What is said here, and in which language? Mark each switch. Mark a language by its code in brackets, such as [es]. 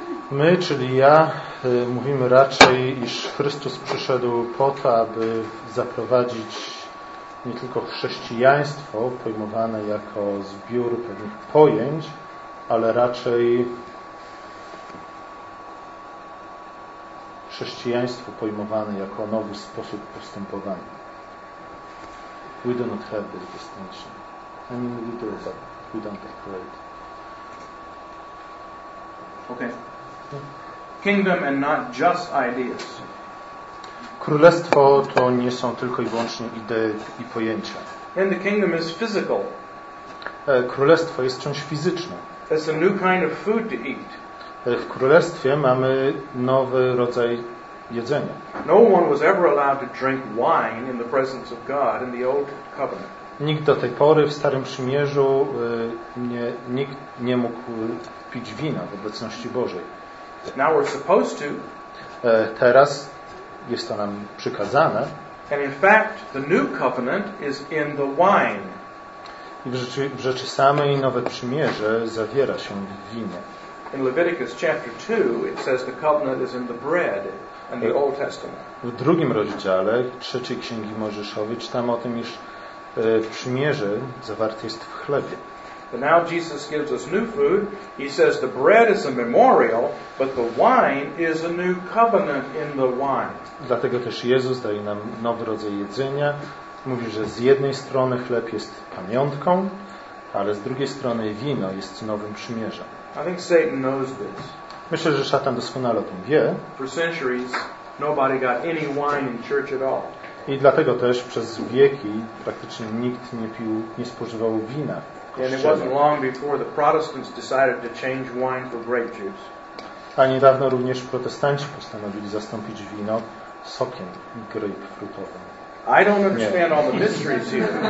[pl] My, czyli ja, mówimy raczej, iż Chrystus przyszedł po to, aby zaprowadzić nie tylko chrześcijaństwo pojmowane jako zbiór pewnych pojęć, ale raczej chrześcijaństwo pojmowane jako nowy sposób postępowania. [en] We do not have this distinction. I mean, we do, but we don't operate. Okay. Kingdom and not just ideas. [pl] Królestwo to nie są tylko i wyłącznie idee i pojęcia. [en] And the kingdom is physical. [pl] Królestwo jest czymś fizycznym. [en] It's a new kind of food to eat. [pl] W królestwie mamy nowy rodzaj jedzenia. [en] No one was ever allowed to drink wine in the presence of God in the old covenant. [pl] Nikt do tej pory w Starym Przymierzu nikt nie mógł pić wina w obecności Bożej. [en] Now we're supposed to. [pl] Teraz jest to nam przykazane. [en] And in fact, the new covenant is in the wine. [pl] I w rzeczy samej Nowe Przymierze zawiera się w winie. [en] In Leviticus chapter 2 it says the covenant is in the bread and the Old Testament. [pl] W drugim rozdziale trzeciej Księgi Mojżeszowej czytam o tym, iż przymierze zawarte jest w chlebie. [en] But now Jesus gives us new food. He says the bread is a memorial, but the wine is a new covenant in the wine. [pl] Dlatego też Jezus daje nam nowy rodzaj jedzenia. Mówi, że z jednej strony chleb jest pamiątką, ale z drugiej strony wino jest nowym przymierzem. [en] I think Satan knows this. [pl] Myślę, że szatan doskonale o tym wie. [en] For centuries, nobody got any wine in church at all. [pl] I dlatego też przez wieki praktycznie nikt nie pił, nie spożywał wina w kościele. [en] And it wasn't long before the Protestants decided to change wine for grape juice. [pl] A niedawno również protestanci postanowili zastąpić wino sokiem grapefruitowym. [en] I don't understand all the mysteries here.